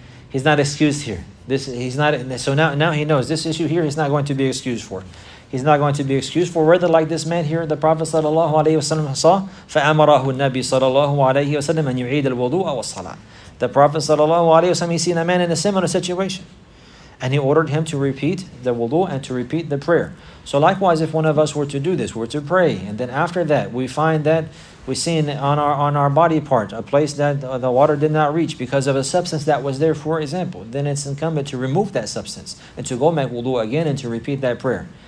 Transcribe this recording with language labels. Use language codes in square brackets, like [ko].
[en] He's not excused here. So now he knows this issue here. He's not going to be excused for. Rather, like this man here, the Prophet sallallahu alaihi wasallam saw. [ar] فَأَمَرَهُ النَّبِيُّ sallallahu alaihi wasallam أَنْ يُعِيدَ الْوُضُوءَ وَالصَّلَاةَ. [en] The Prophet sallallahu alaihi wasallam, he seen a man in a similar situation, and he ordered him to repeat the wudu and to repeat the prayer. So likewise, if one of us were to do this, were to pray, and then after that we find that we see on our body part a place that the water did not reach because of a substance that was there, for example, then it's incumbent to remove that substance and to go make wudu again and to repeat that prayer.